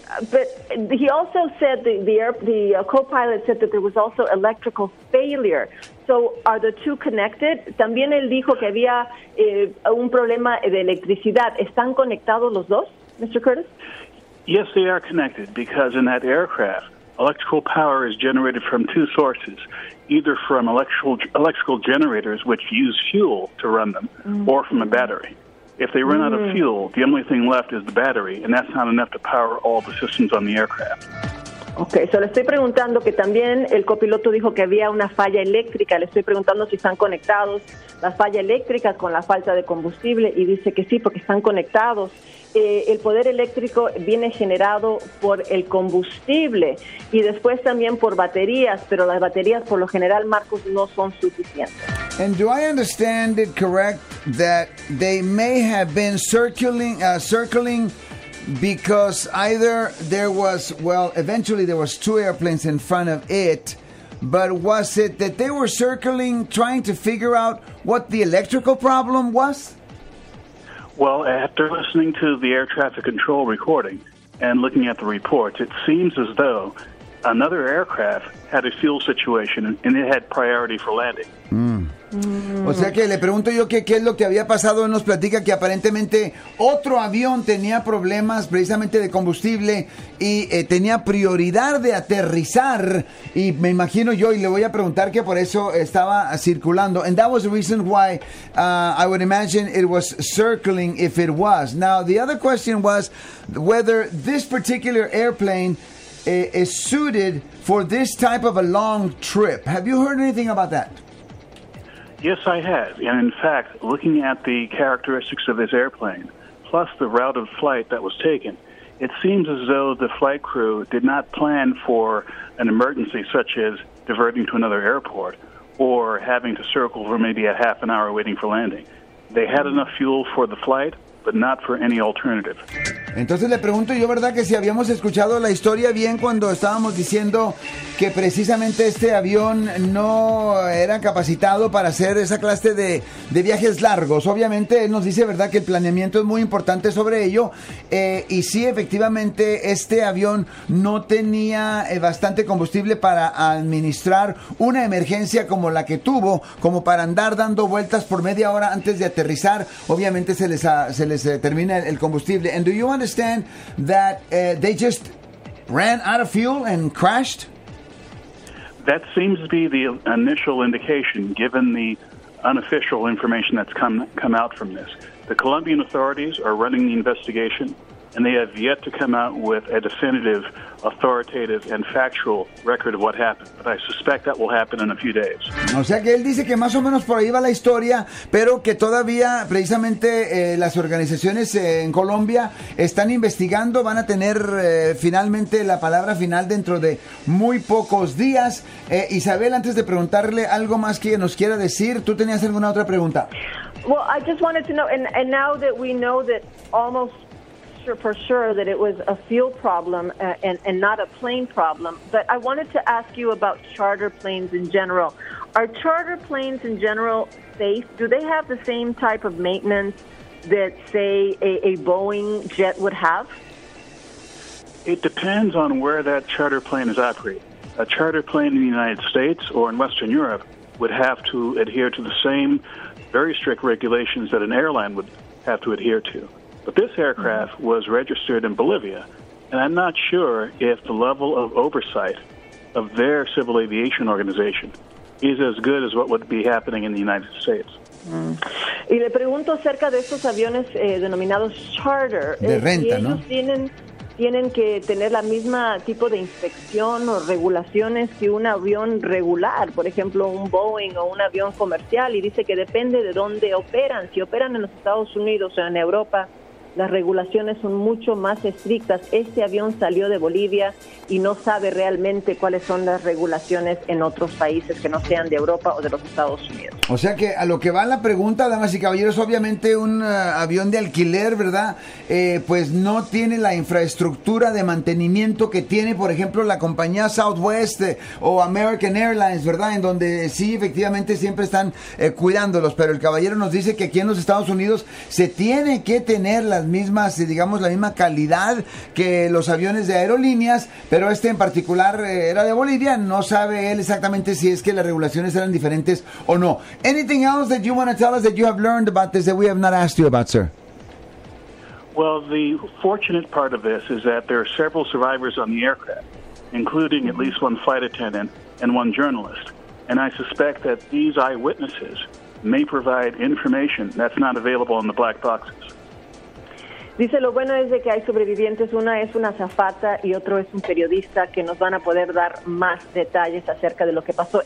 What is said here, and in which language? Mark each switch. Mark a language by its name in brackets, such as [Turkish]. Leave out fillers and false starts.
[English] But he also said, the co-pilot said that there was also electrical failure. So are the two connected? [Spanish] También él dijo que había un problema de electricidad. ¿Están conectados los dos, Mr. Curtis? [English] Yes, they are connected, because in that aircraft, electrical power is generated from two sources, either from electrical generators, which use fuel to run them, or from a battery. If they run out of fuel, the only thing left is the battery, and that's not enough to power all the systems on the aircraft. Okay, so [Spanish] le estoy preguntando que también el copiloto dijo que había una falla eléctrica. Le estoy preguntando si están conectados la falla eléctrica con la falta de combustible, y dice que sí, porque están conectados. El poder eléctrico viene generado por el combustible y después también por baterías, pero las baterías por lo general, Marcos, no son suficientes. [English] And do I understand it correct that they may have been circling because either there was, well, eventually there was two airplanes in front of it, but was it that they were circling trying to figure out what the electrical problem was? Well, after listening to the air traffic control recording and looking at the reports, it seems as though another aircraft had a fuel situation and it had priority for landing. [Spanish] O sea que le pregunto yo que qué es lo que había pasado. Nos platica que aparentemente otro avión tenía problemas precisamente de combustible y tenía prioridad de aterrizar. Y me imagino yo, y le voy a preguntar, que por eso estaba circulando. [English] And that was the reason why I would imagine it was circling, if it was. Now, the other question was whether this particular airplane is suited for this type of a long trip. Have you heard anything about that? Yes, I have. And in fact, looking at the characteristics of this airplane, plus the route of flight that was taken, it seems as though the flight crew did not plan for an emergency such as diverting to another airport or having to circle for maybe a half an hour waiting for landing. They had enough fuel for the flight, but not for any alternative. [Spanish] Entonces le pregunto yo, ¿verdad?, que si habíamos escuchado la historia bien cuando estábamos diciendo que precisamente este avión no era capacitado para hacer esa clase de viajes largos. Obviamente él nos dice, ¿verdad?, que el planeamiento es muy importante sobre ello. Y sí, efectivamente, este avión no tenía bastante combustible para administrar una emergencia como la que tuvo, como para andar dando vueltas por media hora antes de aterrizar. Obviamente se les termina el combustible. [English] And do you understand that they just ran out of fuel and crashed? That seems to be the initial indication, given the unofficial information that's come out from this. The Colombian authorities are running the investigation, and they have yet to come out with a definitive, authoritative, and factual record of what happened. But I suspect that will happen in a few days. [Spanish] O sea que él dice que más o menos por ahí va la historia, pero que todavía precisamente las organizaciones en Colombia están investigando, van a tener finalmente la palabra final dentro de muy pocos días. Isabel, antes de preguntarle algo más que nos quiera decir, ¿tú tenías alguna otra pregunta? [English] Well, I just wanted to know, and now that we know that almost sure for sure that it was a fuel problem and not a plane problem. But I wanted to ask you about charter planes in general. Are charter planes in general safe? Do they have the same type of maintenance that, say, a Boeing jet would have? It depends on where that charter plane is operating. A charter plane in the United States or in Western Europe would have to adhere to the same very strict regulations that an airline would have to adhere to. But this aircraft was registered in Bolivia, and I'm not sure if the level of oversight of their civil aviation organization is as good as what would be happening in the United States. [Spanish] Y le pregunto acerca de estos aviones denominados charter. De renta, ¿no? ¿Tienen que tener la misma tipo de inspección o regulaciones que un avión regular, por ejemplo, un Boeing o un avión comercial? Y dice que depende de dónde operan. Si operan en los Estados Unidos o en Europa, las regulaciones son mucho más estrictas. Este avión salió de Bolivia y no sabe realmente cuáles son las regulaciones en otros países que no sean de Europa o de los Estados Unidos. O sea que a lo que va la pregunta, damas y caballeros, obviamente un avión de alquiler, ¿verdad? Pues no tiene la infraestructura de mantenimiento que tiene, por ejemplo, la compañía Southwest o American Airlines, ¿verdad? En donde sí, efectivamente, siempre están cuidándolos. Pero el caballero nos dice que aquí en los Estados Unidos se tiene que tener las mismas, digamos, la misma calidad que los aviones de aerolíneas, pero este en particular era de Bolivia. No sabe él exactamente si es que las regulaciones eran diferentes o no. [English] Anything else that you want to tell us that you have learned about this that we have not asked you about, sir? Well, the fortunate part of this is that there are several survivors on the aircraft, including at least one flight attendant and one journalist. And I suspect that these eyewitnesses may provide information that's not available in the black boxes. [Spanish] Dice, lo bueno es de que hay sobrevivientes, una es una azafata y otro es un periodista que nos van a poder dar más detalles acerca de lo que pasó.